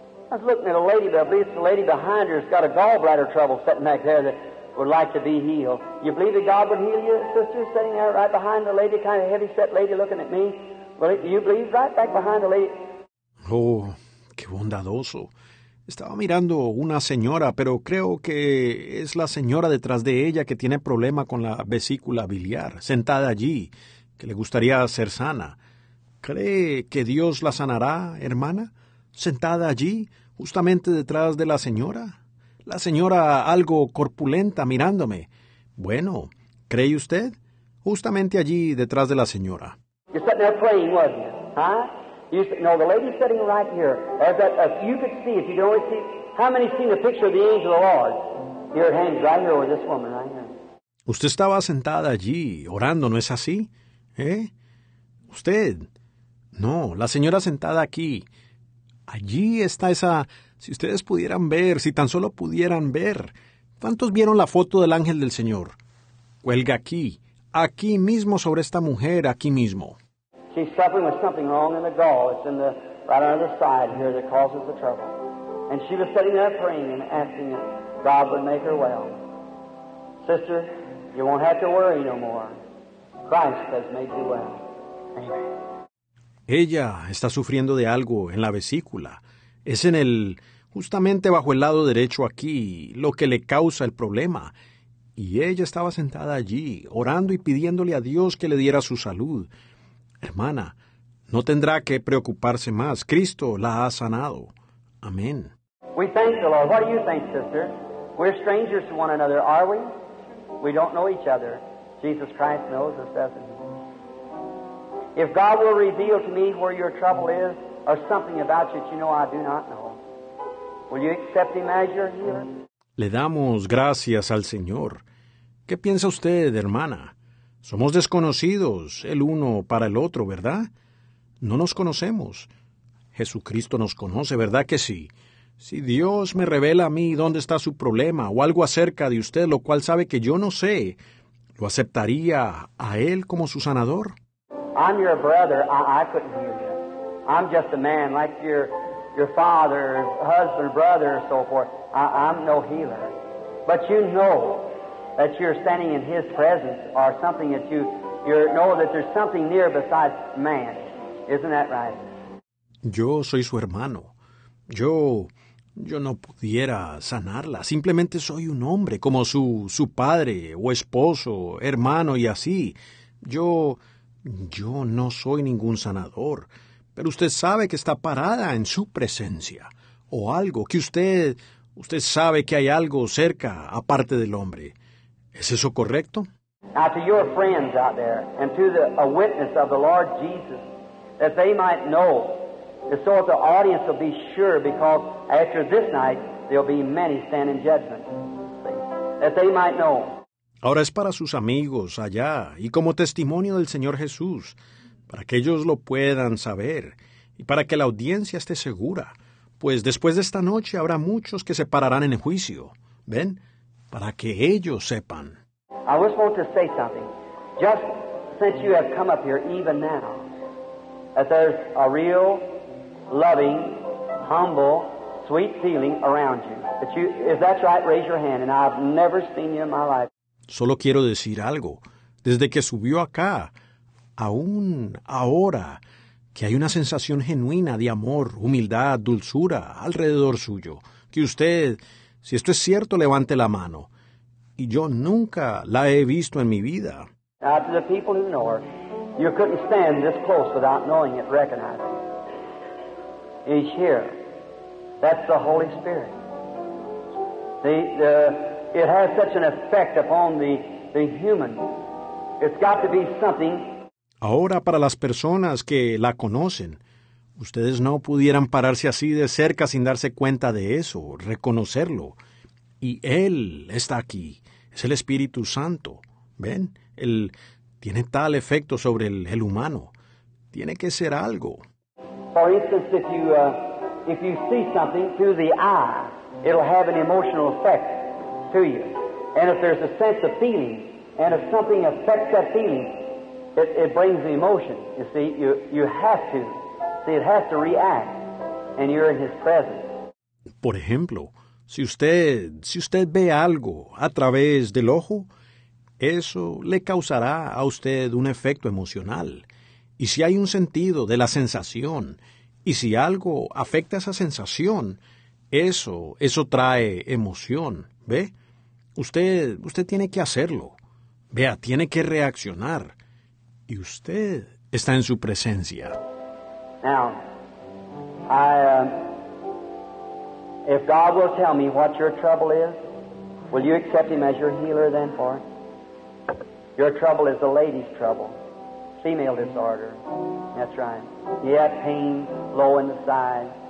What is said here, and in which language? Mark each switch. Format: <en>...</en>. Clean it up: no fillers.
<en>I was looking at a lady, but I believe it's the lady behind her. She's got a gallbladder trouble sitting back there that would like to be healed. You believe that God would heal you, sister, sitting there right behind the lady, kind of heavy-set lady looking at me? Well, do you believe right back behind the lady?</en> <es>Oh, qué bondadoso. Estaba mirando una señora, pero creo que es la señora detrás de ella que tiene problema con la vesícula biliar, sentada allí, que le gustaría ser sana. ¿Cree que Dios la sanará, hermana? Sentada allí, justamente detrás de la señora algo corpulenta mirándome. Bueno, ¿cree usted? Justamente allí detrás de la señora.</es> <en>You're sitting there praying, wasn't you? Huh? You said, no, the lady's sitting right here. As that, if you could see, if you could only see, how many seen the picture of the angel of the Lord? Here it hangs right here with this woman right here.</en> <es>Usted estaba sentada allí orando, ¿no es así? ¿Eh? Usted. No, la señora sentada aquí. Allí está esa, si ustedes pudieran ver, si tan solo pudieran ver. ¿Cuántos vieron la foto del ángel del Señor? Cuelga aquí, aquí mismo sobre esta mujer, aquí mismo.</es> <en>She's suffering with something wrong in the gall. It's in the, right under the side here that causes the trouble. And she was sitting there praying and asking that God would make her well. Sister, you won't have to worry no more. Christ has made you well. Amen.</en> <es>Ella está sufriendo de algo en la vesícula. Es en el, justamente bajo el lado derecho aquí, lo que le causa el problema. Y ella estaba sentada allí, orando y pidiéndole a Dios que le diera su salud. Hermana, no tendrá que preocuparse más. Cristo la ha sanado. Amén.</es> <en>We thank the Lord. What do you think, sister? We're strangers to one another, are we? We don't know each other. Jesus Christ knows us, doesn't he? If God will reveal to me where your trouble is, or something about you that you know I do not know. Will you accept him as your healer?</en> <es>Le damos gracias al Señor. ¿Qué piensa usted, hermana? Somos desconocidos el uno para el otro, ¿verdad? No nos conocemos. Jesucristo nos conoce, ¿verdad que sí? Si Dios me revela a mí dónde está su problema o algo acerca de usted, lo cual sabe que yo no sé, ¿lo aceptaría a él como su sanador?</es> <en>I'm your brother. I couldn't hear you. I'm just a man like your father, husband, brother, so forth. I'm no healer. But you know that you're standing in his presence or something that you know that there's something near besides man. Isn't that right?</en> <es>Yo soy su hermano. Yo no pudiera sanarla. Simplemente soy un hombre, como su padre, o esposo, hermano, y así. Yo no soy ningún sanador. Pero usted sabe que está parada en su presencia. O algo, que usted sabe que hay algo cerca, aparte del hombre. ¿Es eso correcto?</es> <en>Now to your friends out there, and to a witness of the Lord Jesus, that they might know. And so the audience will be sure, because after this night, there'll be many standing in judgment. That they might know.</en> <es>Ahora es para sus amigos allá, y como testimonio del Señor Jesús, para que ellos lo puedan saber, y para que la audiencia esté segura, pues después de esta noche habrá muchos que se pararán en el juicio. ¿Ven? Para que ellos sepan.</es> <en>I just want to say something. Just since you have come up here, even now, that there's a real, loving, humble, sweet feeling around you. That you, if that's right, raise your hand. And I've never seen you in my life.</en> <es>Solo quiero decir algo. Desde que subió acá, aún ahora, que hay una sensación genuina de amor, humildad, dulzura alrededor suyo. Que usted, si esto es cierto, levante la mano. Y yo nunca la he visto en mi vida.</es> <en>Now, to the people who know her, you couldn't stand this close without knowing it, recognizing it. He's here. That's the Holy Spirit. The it has such an effect upon the human. It's got to be something.</en> <es>Ahora, para las personas que la conocen, ustedes no pudieran pararse así de cerca sin darse cuenta de eso, reconocerlo. Y Él está aquí. Es el Espíritu Santo. ¿Ven? Él tiene tal efecto sobre el humano. Tiene que ser algo.</es> <en>For instance, if you see something through the eye, it'll have an emotional effect to you. And if there's a sense of feeling, and if something affects that feeling, it brings the emotion. You see, you have to. See, it has to react, and you're in his presence.</en> <es>Por ejemplo, si usted ve algo a través del ojo, eso le causará a usted un efecto emocional. Y si hay un sentido de la sensación, y si algo afecta esa sensación, eso trae emoción, ¿ve? Usted tiene que hacerlo. Vea, tiene que reaccionar. Y usted está en su presencia.</es> <en>Now, if God will tell me what your trouble is, will you accept him as your healer then for it? Your trouble is the lady's trouble. Female disorder. That's right. You have pain low in the side.</en>